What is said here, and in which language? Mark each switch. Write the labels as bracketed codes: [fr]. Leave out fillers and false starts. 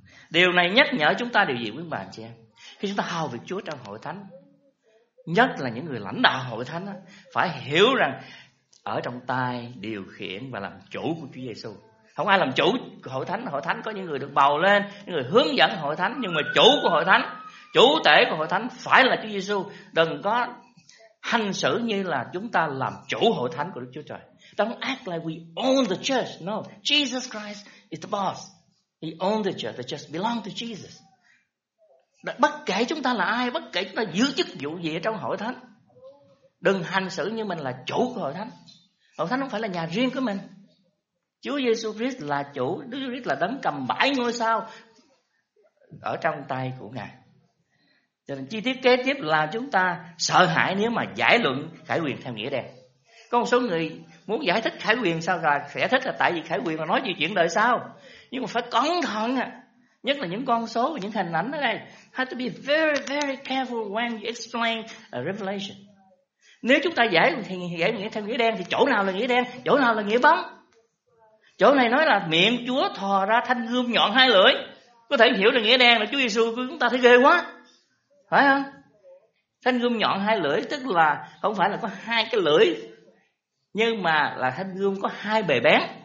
[vi] Điều này nhắc nhở chúng ta điều gì quý bà chị em? Khi chúng ta hầu việc Chúa trong hội thánh, nhất là những người lãnh đạo hội thánh, phải hiểu rằng ở trong tay điều khiển và làm chủ của Chúa Giêsu. Không ai làm chủ hội thánh. Hội thánh có những người được bầu lên, những người hướng dẫn hội thánh, nhưng mà chủ của hội thánh, chủ tể của hội thánh phải là Chúa Giêsu. Đừng có hành xử như là chúng ta làm chủ hội thánh của Đức Chúa Trời. [en] Don't act like we own the church. No, Jesus Christ is the boss. He owns the church. The church belongs to Jesus. [vi] Bất kể chúng ta là ai, bất kể chúng ta giữ chức vụ gì ở trong hội thánh, đừng hành xử như mình là chủ của hội thánh. Hội thánh không phải là nhà riêng của mình. Chúa Jesus Christ là chủ, Đức Christ là đấng cầm bảy ngôi sao ở trong tay của Ngài. Cho nên chi tiết kế tiếp là chúng ta sợ hãi nếu mà giải luận khải quyền theo nghĩa đen. Có một số người muốn giải thích khải quyền sao là sẽ thích là tại vì khải quyền là nói về chuyện đời sau. Nhưng mà phải cẩn thận à. Nhất là những con số và những hình ảnh ở đây. [en] Have to be very very careful when you explain a revelation. [vi] Nếu chúng ta giải nghĩa theo nghĩa đen thì chỗ nào là nghĩa đen, chỗ nào là nghĩa bóng? Chỗ này nói là miệng Chúa thò ra thanh gươm nhọn hai lưỡi. Có thể hiểu là nghĩa đen là Chúa Giêsu của chúng ta thấy ghê quá. Phải không? Thanh gươm nhọn hai lưỡi tức là không phải là có hai cái lưỡi, nhưng mà là thanh gươm có hai bề bén.